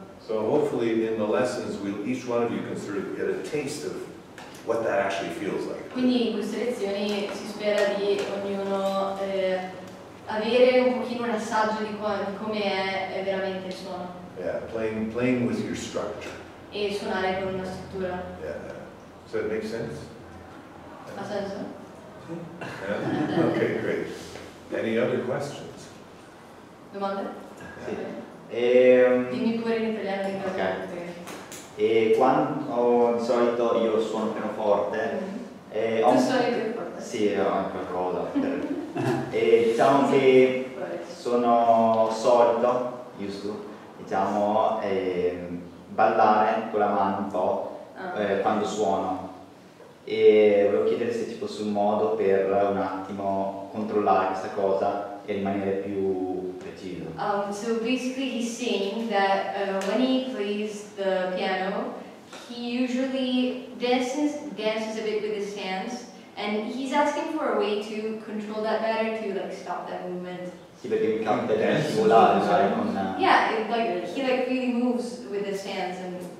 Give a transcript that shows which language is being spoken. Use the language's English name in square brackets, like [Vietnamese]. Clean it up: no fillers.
[English] So hopefully in the lessons we'll each one of you can sort of get a taste of what that actually feels like. [Italian] Quindi in queste lezioni si spera di ognuno avere un pochino un assaggio di come è veramente il suono. [English] Yeah, playing with your structure. [Italian] E suonare con una struttura. [English] Yeah. So it makes sense? [Italian] Ha senso? [English] Yeah. Okay, great. Any other questions? [Italian] Domande? Sì. Dimmi pure in italiano in caso. [English] Okay. [Italian] E quando di solito io suono pianoforte e ho un pianoforte. Sì, ho anche una cosa. E diciamo che sono solito, giusto, diciamo, ballare con la mano un po' quando suono. E volevo chiedere se ci fosse un modo per un attimo controllare questa cosa e rimanere più preciso. [English] So basically he's saying that when he plays the piano, he usually dances a bit with his hands, and he's asking for a way to control that better, to like stop that movement. [Italian] Sì, perché mi capita di scivolare, sai, con... [English] Yeah, like he like really moves with his hands and...